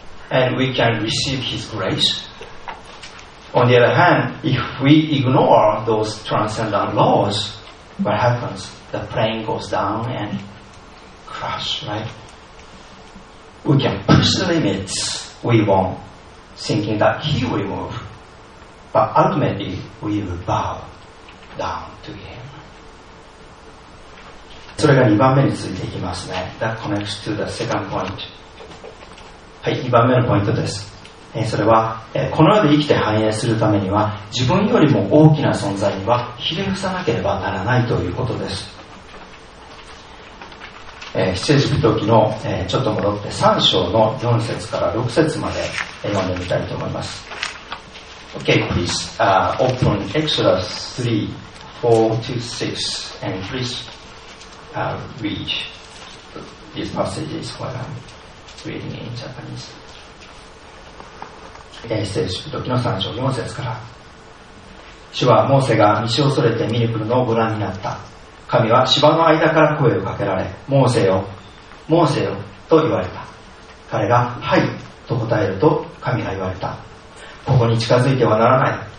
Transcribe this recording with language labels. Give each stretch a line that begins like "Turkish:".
English: And we can receive his grace. On the other hand, if we ignore those transcendent laws, what happens? The plane goes down and crash, right? We can push the limits we want, thinking that he will move, but ultimately we will bow down to him.
Japanese: それが2番目に続いていきますね。
English: That connects to the second point.
Japanese: はい、2番目のポイントです。それはこの世で生きて繁栄するためには自分よりも大きな存在にはひれ伏さなければならないということです。出エジプト記の、ちょっと戻って3章の4節から6節まで読んでみたいと思います。
English: OK, please、open Exodus 3, 4 to 6 and please、read these passages while I'm reading in Japanese。
Japanese: 出エジプト記の3章4節から。主はモーセが西を恐れてミルクルのをご覧になった。神は芝の間から声をかけられ、モーセよ、モーセよと言われた。彼がはいと答えると、神が言われた。ここに近づいてはならない。